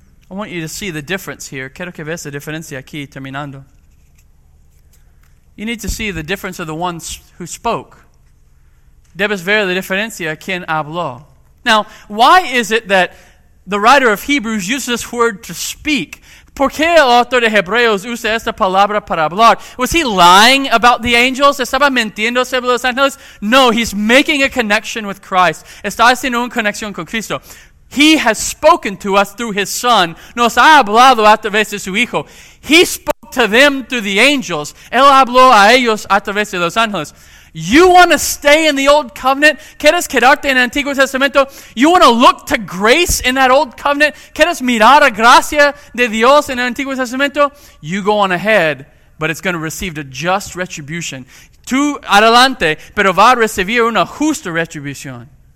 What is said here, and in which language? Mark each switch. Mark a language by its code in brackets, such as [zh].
[en] I want you to see the difference here. [es] Quiero que veas la diferencia aquí, terminando. [en] You need to see the difference of the ones who spoke. [es] Debes ver la diferencia quien habló. [en] Now, why is it that the writer of Hebrews uses this word to speak? [es] ¿Por qué el autor de Hebreos usa esta palabra para hablar? [en] Was he lying about the angels? [es] ¿Estaba mintiendo sobre los ángeles? [en] No, he's making a connection with Christ. [es] Está haciendo una conexión con Cristo. [en] He has spoken to us through his Son. [es] Nos ha hablado a través de su Hijo. [en] He spoke to them through the angels. [es] Él habló a ellos a través de los ángeles. [en] You want to stay in the Old Covenant? [es] ¿Quieres quedarte en el Antiguo Testamento? [en] You want to look to grace in that Old Covenant? [es] ¿Quieres mirar a gracia de Dios en el Antiguo Testamento? [en] You go on ahead, but it's going to receive a just retribution. [es] Tú adelante, pero va a recibir una justa retribución.